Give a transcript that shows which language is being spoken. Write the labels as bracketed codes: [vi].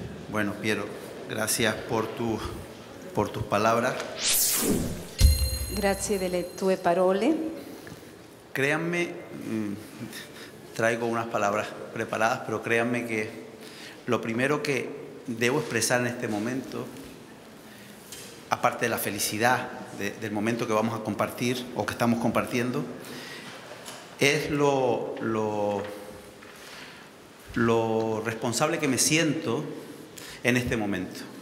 [es] Bueno, Piero, gracias por tus palabras. [it] Grazie delle tue parole. [es] Créanme, traigo unas palabras preparadas, pero créanme que lo primero que debo expresar en este momento, aparte de la felicidad del momento que vamos a compartir o que estamos compartiendo, es lo responsable que me siento en este momento.